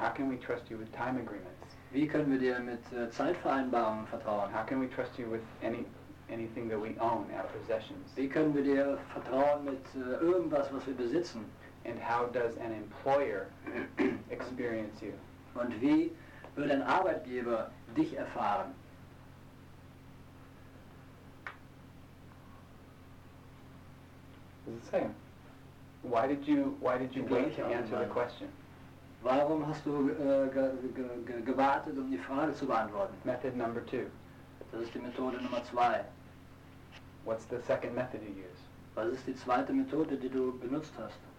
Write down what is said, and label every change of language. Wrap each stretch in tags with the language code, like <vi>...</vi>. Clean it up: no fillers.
<en>How can we trust you with time agreements?</en> <de>Wie können wir dir mit Zeitvereinbarungen vertrauen?</de> <en>How can we trust you with anything that we own, our possessions?</en> <de>Wie können wir dir vertrauen mit irgendwas, was wir besitzen?</de> <en>And how does an employer experience you?</en> <de>Und wie wird ein Arbeitgeber dich erfahren?</de> <en>Does it say? Why did you wait to answer the question?</en> <de>Warum hast du gewartet, um die Frage zu beantworten?</de> <en>Method number two.</en> <de>Das ist die Methode Nummer zwei.</de> <en>What's the second method you use?</en> <de>Was ist die zweite Methode, die du benutzt hast?</de>